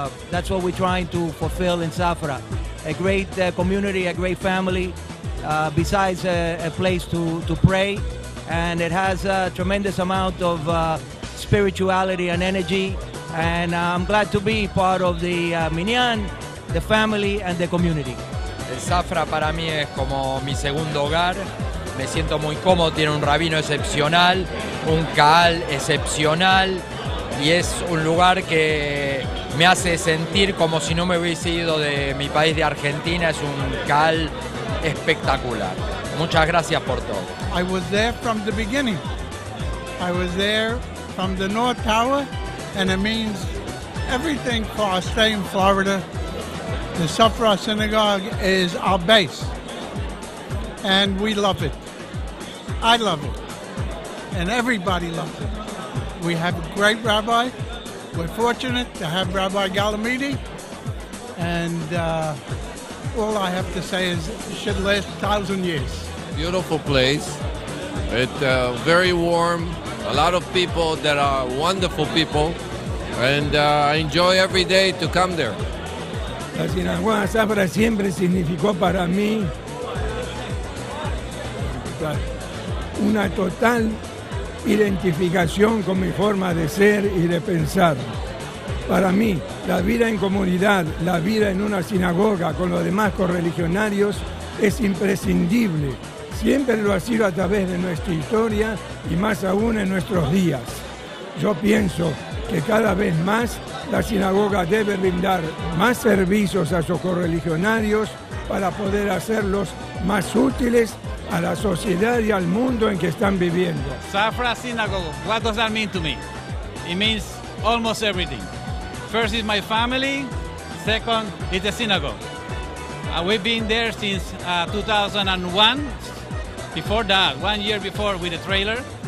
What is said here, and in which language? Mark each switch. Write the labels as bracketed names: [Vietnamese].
[English] That's what we're trying to fulfill in Safra. A great community, a great family, besides a place to pray. And it has a tremendous amount of spirituality and energy. And I'm glad to be part of the Minyan, the family, and the community. [Spanish] El Safra para mí es como mi segundo hogar. Me siento muy cómodo. Tiene un rabino excepcional, un kaal excepcional. Y es un lugar que me hace sentir como si no me hubiese ido de mi país de Argentina. Es un kaal espectacular. Muchas gracias por todo. [English] I was there from the beginning. I was there from the North Tower, and it means everything for our stay in Florida. The Safra Synagogue is our base, and we love it. I love it, and everybody loves it. We have a great rabbi. We're fortunate to have Rabbi Galimidi. And all I have to say is it should last 1,000 years. Beautiful place. It's very warm. A lot of people that are wonderful people. And I enjoy every day to come there. [Spanish] La Sinagoga de Safra siempre significó para mí una total identificación con mi forma de ser y de pensar. Para mí, la vida en comunidad, la vida en una sinagoga con los demás correligionarios es imprescindible. Siempre lo ha sido a través de nuestra historia y más aún en nuestros días. Yo pienso que cada vez más la sinagoga debe brindar más servicios a sus correligionarios para poder hacerlos más útiles a la sociedad y al mundo en que están viviendo. [English] Safra Synagogue, what does that mean to me? It means almost everything. First is my family, second is the synagogue. We've been there since 2001. Before that, 1 year before with the trailer.